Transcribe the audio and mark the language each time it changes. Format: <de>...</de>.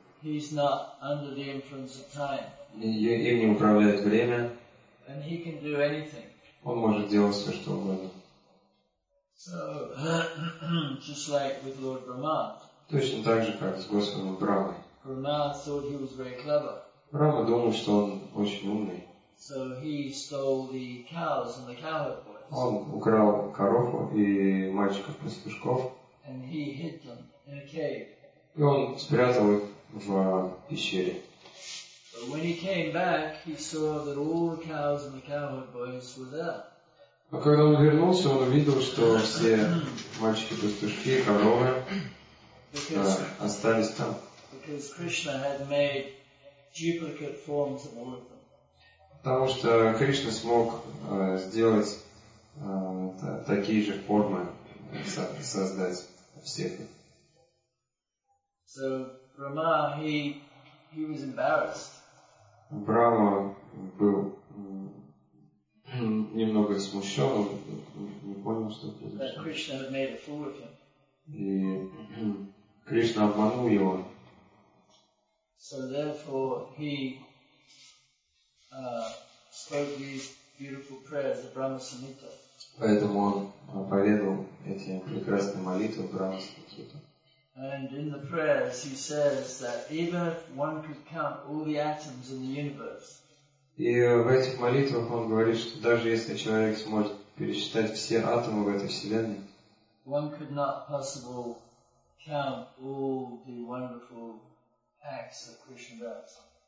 <en>He is not under the influence of time.</en> <ru>Им не управляет время.</ru> <en>And he can do anything.</en> <ru>Он может делать все, что угодно.</ru> <en>So, just like with Lord Brahma.</en> <ru>Точно так же, как с Господом Брахмой.</ru> <en>Brahma thought he was very clever.</en> <ru>Брахма думал, что он очень умный.</ru> <en>So he stole the cows and the cowherd boys.</en> <ru>Он украл корову и мальчиков-пастушков.</ru> <en>And he hid them in a cave.</en> <ru>И он спрятал их в пещере.</ru> <en>But when he came back, he saw that all the cows and the cowherd boys were there.</en> <ru>А когда он вернулся, он увидел, что все мальчики-пастушки, коровы остались там.</ru> <en>Because Krishna had made duplicate forms of all of them.</en> <ru>Потому что Кришна смог сделать такие же формы, создать всех.</ru> <en>So, Brahma, he was embarrassed.</en> <ru>Брахма был немного смущен, он не понял, что произошло. И Кришна обманул его.</ru> <en>So therefore he spoke these beautiful prayers, the Brahma Samhita.</en> <ru>Поэтому он проведал эти прекрасные молитвы Брама Сутру.</ru> <en>And in the prayers he says that even if one could count all the atoms in the universe.</en> <ru>И в этих молитвах он говорит, что даже если человек сможет пересчитать все атомы в этой вселенной,</ru> <en>one could not possibly count all the wonderful acts of Krishna Das.</en>